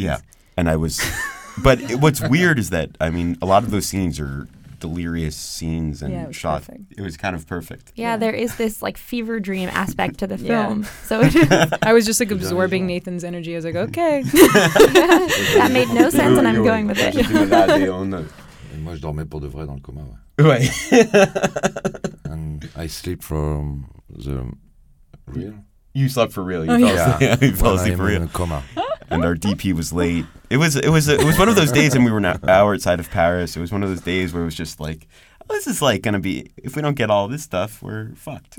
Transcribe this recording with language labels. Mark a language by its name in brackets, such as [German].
[English] Yeah, and I was, but what's weird is that, I mean, a lot of those scenes are delirious scenes and shot. Perfect. It was kind of perfect. Yeah, there is this like fever dream aspect to the film. So I was just like absorbing Nathan's energy. I was like, okay. That made no sense and I'm going with it. And [French] moi je dormais pour de vrai dans le coma. Ouais. [English] And I sleep from the real. You slept for real. You fell asleep for real. In a coma. And our DP was late. It was one of those days, and we were an hour outside of Paris. It was one of those days where it was just like, oh, this is like going to be, if we don't get all this stuff, we're fucked.